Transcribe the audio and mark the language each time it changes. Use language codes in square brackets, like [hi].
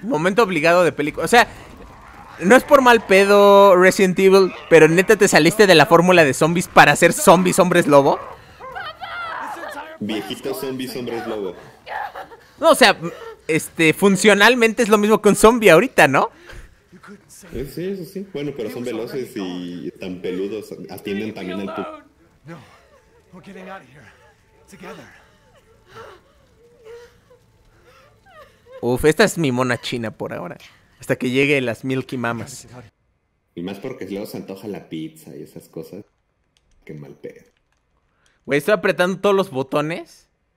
[es] Momento obligado de película. O sea, no es por mal pedo, Resident Evil, pero neta te saliste de la fórmula de zombies para hacer zombies hombres lobo. Viejitos zombies hombres lobo. No, o sea, funcionalmente es lo mismo que un zombie ahorita, ¿no? Sí, eso sí. Bueno, pero son veloces y tan peludos. Atienden también al tu. [en] No, we're getting out of here. Together. [es] Uf, esta es mi mona china por ahora. Hasta que llegue las Milky Mamas. Y más porque luego se antoja la pizza y esas cosas. Qué mal pedo. Güey, estoy apretando todos los botones.